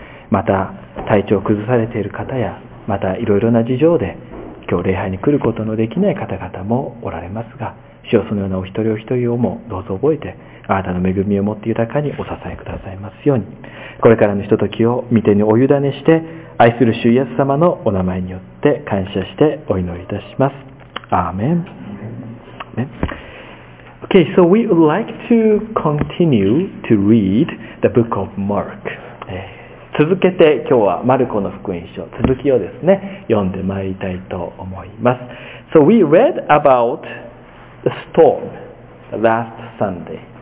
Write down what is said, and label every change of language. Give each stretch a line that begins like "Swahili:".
Japanese: また体調を崩されている方や、またいろいろな事情で今日礼拝に来ることのできない方々もおられますが、主よ、そのようなお一人お一人をもどうぞ覚えて、あなたの恵みをもって豊かにお支えくださいますように、これからのひとときを御手にお委ねして、愛する主イエス様のお名前によって感謝してお祈りいたします。アーメン。
English: Okay, so we would like to continue to read the book of Mark.
Japanese: 続けて今日はマルコの福音書、続きをですね、読んでまいりたいと思います。
English: So we read about the storm last Sunday.